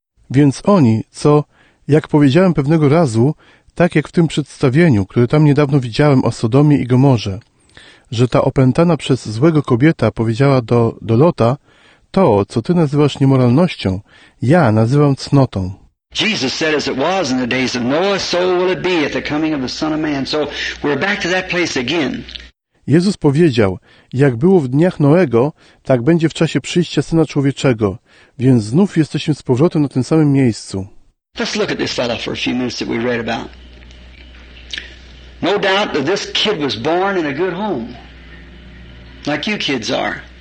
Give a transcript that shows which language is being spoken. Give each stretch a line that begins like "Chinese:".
Polish: Więc oni, co, jak powiedziałem pewnego razu, tak jak w tym przedstawieniu, które tam niedawno widziałem o Sodomie i Gomorze, że ta opętana przez złego kobieta powiedziała do Lota, to, co ty nazywasz niemoralnością, ja nazywam cnotą.
English: Jesus said as it was in the days of Noah, so will it be at the coming of the Son of Man. So we're back to that place again.
Polish: Jezus powiedział, jak było w dniach Noego, tak będzie w czasie przyjścia Syna Człowieczego, więc znów jesteśmy z powrotem na tym samym miejscu.
English: Let's look at this fellow for a few minutes that we read about. No doubt that this kid was born in a good home, like you kids are.